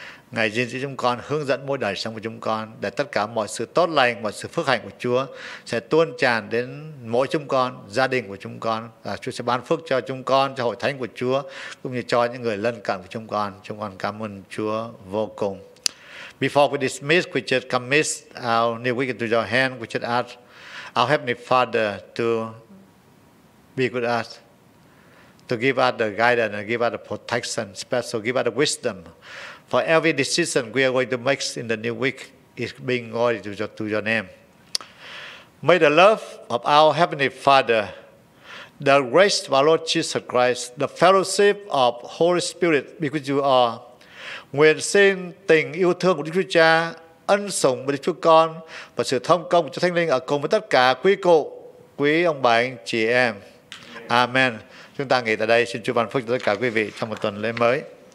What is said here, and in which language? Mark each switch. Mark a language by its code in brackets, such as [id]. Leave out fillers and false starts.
[vi] Ngài gìn giữ chúng con, hướng dẫn mỗi đời sống của chúng con để tất cả mọi sự tốt lành, mọi sự phước hạnh của Chúa sẽ tuôn tràn đến mỗi chúng con, gia đình của chúng con. Chúa sẽ ban phước cho chúng con, cho hội thánh của Chúa cũng như cho những người lân cận của chúng con. Chúng con cảm ơn Chúa vô cùng. [en] Before we dismiss, we just commit our new week into your hand. We just ask our Heavenly Father to be with us, to give us the guidance, and give us the protection, special, give us the wisdom for every decision we are going to make in the new week is being glory to your name. May the love of our Heavenly Father, the grace of our Lord Jesus Christ, the fellowship of Holy Spirit be with you all. [vi] Nguyện xin tình yêu thương của Đức Chúa Cha, ân sủng của Đức Chúa Con và sự thông công của Thánh Linh ở cùng với tất cả quý cụ, quý ông bà, anh chị em. Amen. Chúng ta nghỉ tại đây. Xin Chúa ban phước cho tất cả quý vị trong một tuần lễ mới.